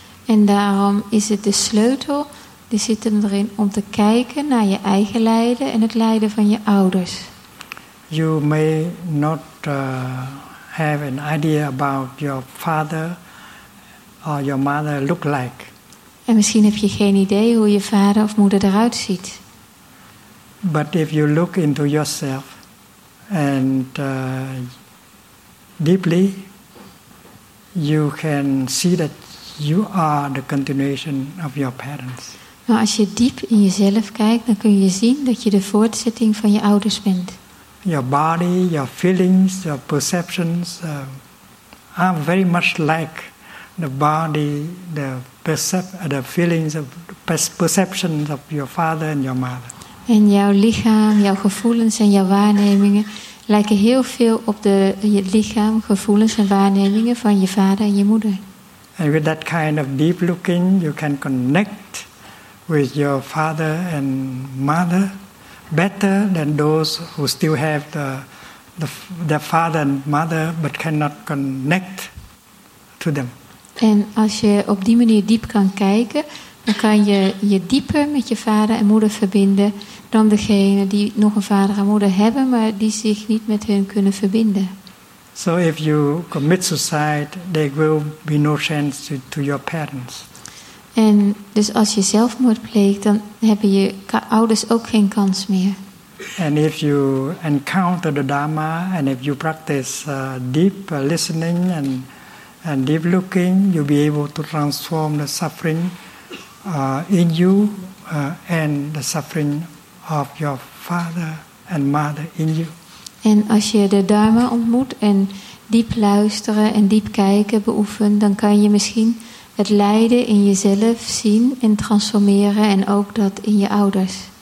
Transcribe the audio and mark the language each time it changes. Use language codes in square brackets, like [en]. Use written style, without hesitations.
[nl] En daarom is het de sleutel, die zit hem erin, om te kijken naar je eigen lijden en het lijden van je ouders. [en] You may not have an idea about your father or your mother look like. [nl] En misschien heb je geen idee hoe je vader of moeder eruit ziet. [en] But if you look into yourself and deeply, you can see that you are the continuation of your parents. [nl] Maar als je diep in jezelf kijkt, dan kun je zien dat je de voortzetting van je ouders bent. [en] Your body, your feelings, your perceptions are very much like the body, the feelings, perceptions of your father and your mother. [nl] En jouw lichaam, jouw gevoelens en jouw waarnemingen lijken heel veel op je lichaam, gevoelens en waarnemingen van je vader en je moeder. [en] And with that kind of deep looking, you can connect with your father and mother better than those who still have the father and mother but cannot connect to them. [nl] En als je op die manier diep kan kijken, Dan kan je je dieper met je vader en moeder verbinden dan degene die nog een vader en moeder hebben, maar die zich niet met hun kunnen verbinden. [en] So if you commit suicide, there will be no chance to your parents. [nl] En dus als je zelfmoord pleegt, dan hebben je ouders ook geen kans meer. [en] And if you encounter the Dharma and if you practice deep listening and deep looking, you'll be able to transform the suffering in you and the suffering of your father and mother in you. [nl] En als je de Dharma ontmoet en diep luisteren en diep kijken beoefent, dan kan je misschien het lijden in jezelf zien en transformeren en ook dat in je ouders.